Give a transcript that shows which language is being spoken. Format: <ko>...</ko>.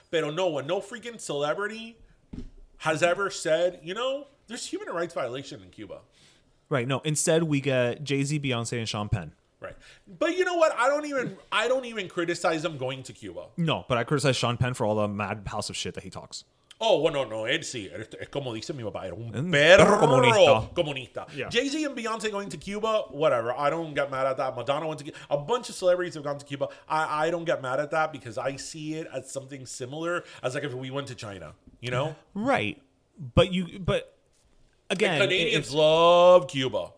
<es>Pero</es> <en>no one, no freaking celebrity has ever said, you know, there's human rights violation in Cuba. Right. No, instead we get Jay-Z, Beyonce, and Sean Penn. Right. But you know what? I don't even criticize them going to Cuba. No, but I criticize Sean Penn for all the mad house of shit that he talks.</en> <es>Oh, bueno, no. Él sí. Es como dice mi papá. Era un perro comunista.</es> <en>Yeah. Jay-Z and Beyonce going to Cuba, whatever. I don't get mad at that. Madonna went to Cuba. A bunch of celebrities have gone to Cuba. I don't get mad at that because I see it as something similar as like if we went to China, you know? Right. But you... But again, the Canadians love Cuba.</en>